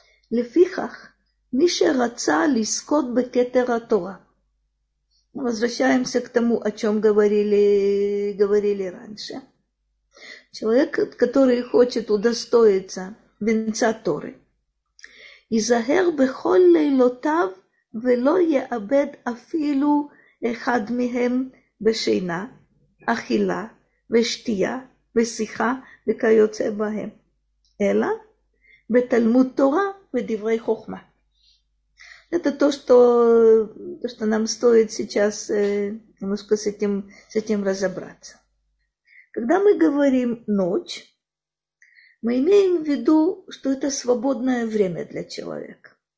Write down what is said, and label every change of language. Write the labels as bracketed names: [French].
[Hebrew] Лефихах мише раца лискот бекетера Тора. [Russian] Возвращаемся к тому, о чем говорили раньше. Человек, который хочет удостоиться венца Торы. [Hebrew] Изагер бехоль лейлотав ולא יאבד אפילו אחד מהם בשינה, אכילה ושתייה ושיחה וכיוצא בהם, אלא בתלמוד תורה ודברי חוכמה. [Russian] Это то, что нам стоит сейчас немножко с этим разобраться. Когда мы говорим ночь, мы имеем в виду, что это свободное время для человека.